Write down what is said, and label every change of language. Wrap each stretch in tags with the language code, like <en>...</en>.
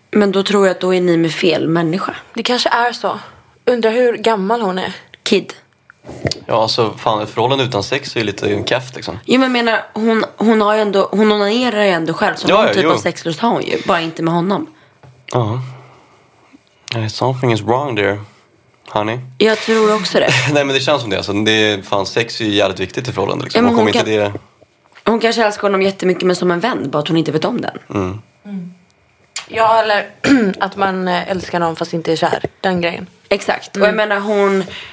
<sv>Men då tror jag att då är ni med fel människa. Det kanske är så. Undrar hur gammal hon är.</sv> <en>Kid.</en> <sv>Ja, alltså fan, förhållande utan sex är ju lite en keft liksom. Jo, men menar, hon har ju ändå, hon onanerar ju ändå själv. Så någon typ av sexlust har hon ju, bara inte med honom. Ja.</sv> <en>Something is wrong there, honey.</en> <sv>Jag tror också det. Nej, men det känns som det. Alltså, det är, fan, sex är ju jävligt viktigt i förhållande liksom. Ja, hon kommer inte det. Hon kanske älskar honom jättemycket, men som en vän. Bara att hon inte vet om den. Ja, eller att man älskar någon fast inte är kär. Den grejen. Exakt. Och jag menar hon...</sv>